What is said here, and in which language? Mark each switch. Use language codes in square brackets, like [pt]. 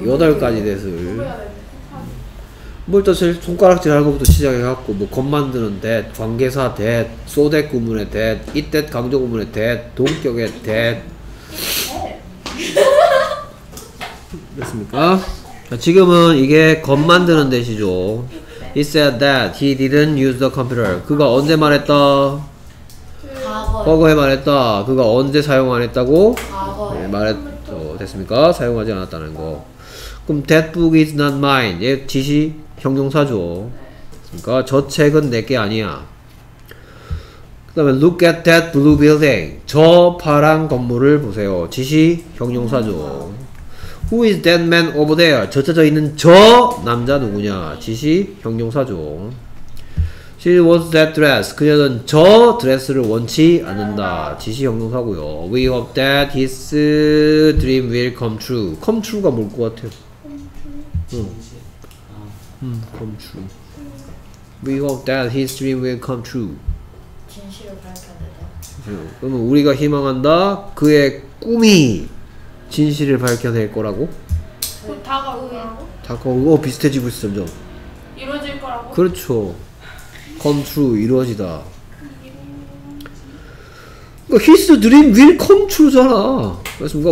[ko] 8가지 대슬 뭐 일단 제일 손가락질 하는 것부터 시작해갖고 뭐 겉 만드는 that, 관계사 that, 소댓 구문의 that, 이댓 강조 구문의 that, 동격의 that 됐습니까? 지금은 이게 겉 만드는 대시죠. [en] He said that he didn't use the computer. [ko] 그가 언제 말했다? 과거에 말했다. 그가 언제 사용 안 했다고? 과거에 네, 말했어. 됐습니까? 사용하지 않았다는 거. 그럼 [en] that book is not mine. [ko] 얘 지시 형용사죠. 됐습니까? 저 책은 내게 아니야. 그 다음에 [en] look at that blue building. [ko] 저 파란 건물을 보세요. 지시 형용사죠. [en] Who is that man over there? [ko] 젖혀져 있는 저 남자 누구냐? 지시 형용사죠. [en] She wants that dress. [ko] 그녀는 저 드레스를 원치 않는다. 지시 형용사고요. [en] We hope that his dream will come true. Come true [ko] 가 뭘 것 같아요? [en] Come true. come true. We hope that his dream will come true. [ko] 진실을 밝혀내다. 그러면 우리가 희망한다. 그의 꿈이 진실을 밝혀낼 거라고? 곧 다가오고 다가오고 비슷해지고 있어 점점 이루어질 거라고? 그렇죠 [en] come true [ko] 이루어지다 [en] His dream will come true잖아. [ko] 그렇습니까?